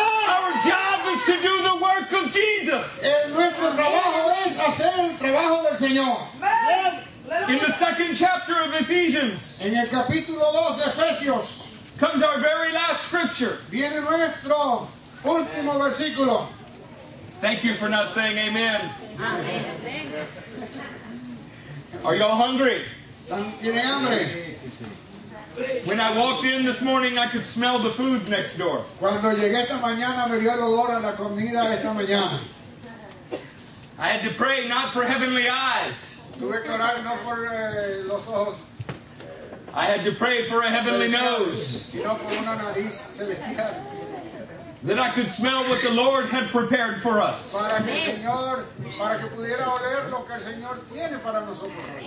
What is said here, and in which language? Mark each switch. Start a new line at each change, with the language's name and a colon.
English: Our job is to do the work of Jesus.
Spanish: El nuestro trabajo es hacer el trabajo del Señor.
English: In the second chapter of Ephesians.
Spanish: En el capítulo 2 de Efesios.
English: Comes our very last scripture.
Spanish: Viene nuestro último versículo.
English: Thank you for not saying amen. Amen. Are y'all hungry?
Spanish: ¿Tienen hambre?
English: When I walked in this morning, I could smell the food next door.
Spanish: Cuando llegué esta mañana, me dio el olor a la comida esta mañana.
English: I had to pray not for heavenly eyes.
Spanish: Tuve que orar no por los ojos.
English: I had to pray for a heavenly nose.
Spanish: Sino por una nariz celestial.
English: That I could smell what the Lord had prepared for us.
Spanish: Para que el Señor, para que pudiera oler lo que el Señor tiene para nosotros.